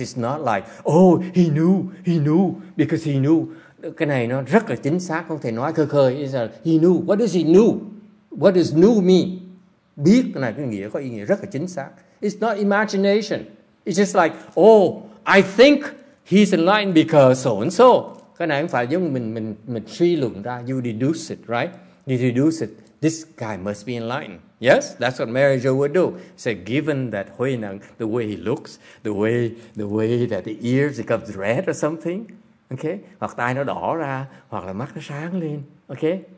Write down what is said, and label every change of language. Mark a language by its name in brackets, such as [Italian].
[English] It's not like, oh, he knew, because he knew. [Vietnamese] Cái này nó rất là chính xác, không thể nói khơi khơi. [English] It's like, he knew. What does he knew? What does knew mean? [Vietnamese] Biết này cái nghĩa có ý nghĩa rất là chính xác. [English] It's not imagination. It's just like, oh, I think he's enlightened because so and so. [Vietnamese] Cái này không phải giống mình suy luận ra. [English] You deduce it, right? You deduce it. This guy must be enlightened. Yes, that's what Mary Jo would do. Say, so given that Huy Năng, the way he looks, the way that the ears become red or something, okay? [Vietnamese] Hoặc tai nó đỏ ra, hoặc là mắt nó sáng lên, okay?